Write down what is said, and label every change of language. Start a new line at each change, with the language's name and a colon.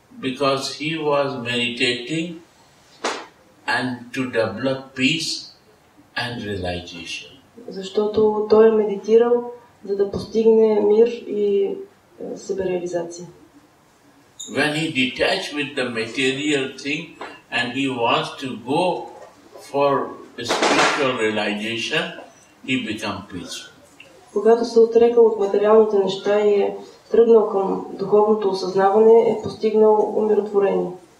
English: Because he was meditating and to develop peace and realization.
Bulgarian: Защото той е медитирал, за да постигне мир и себереализация.
English: When he detached with the material thing and he wants to go for spiritual realization, he become peaceful.
Bulgarian: Когато се отрекал от материалните неща и е тръгнал към духовното осъзнаване, е постигнал умиротворение.